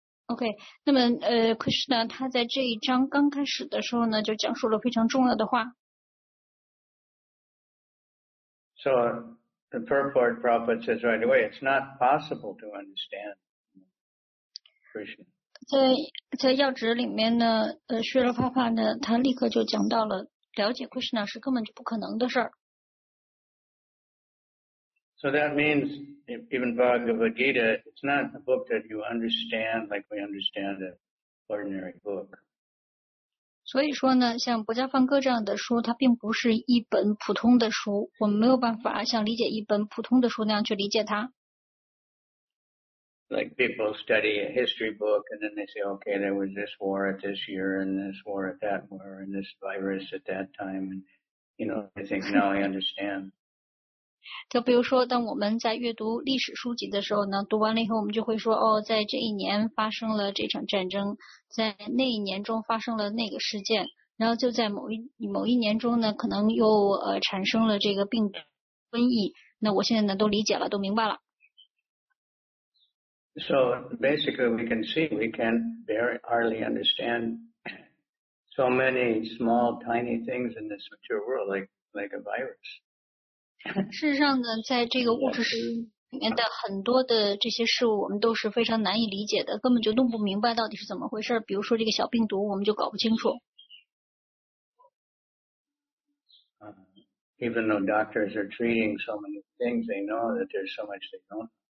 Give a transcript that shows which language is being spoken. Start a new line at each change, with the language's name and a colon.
Chinese: Okay, 那么Krishna 他在这一章刚开始的时候呢，就讲述了非常重要的话。
English: So the purport prophet says right away, it's not possible to understand Krishna.
Chinese: 在要旨里面呢，薛罗帕帕呢，他立刻就讲到了了解 Krishna 是根本就不可能的事儿。
English: So that means even Bhagavad Gita, it's not a book that you understand like we understand an ordinary book.
Chinese: 所以说呢，像《薄伽梵歌》这样的书，它并不是一本普通的书，我们没有办法像理解一本普通的书那样去理解它。
English: like people study a history book and then they say, okay, there was this war at this year and this war at that war and this virus at that time. And, you know, I think now I understand.
Chinese: 就比如说当我们在阅读历史书籍的时候呢，读完了以后我们就会说，哦，在这一年发生了这场战争，在那一年中发生了那个事件，然后就在某一年中呢，可能又产生了这个病毒瘟疫，那我现在呢都理解了，都明白了。
English: So basically we can see we can barely hardly understand so many small tiny things in this material world like a virus.
Chinese: 事实上呢在这个物质世界里面的很多的这些事物我们都是非常难以理解的，根本就弄不明白到底是怎么回事，比如说这个小病毒我们就搞不清楚。
English: Even though doctors are treating so many things, they know that there's so much they don't.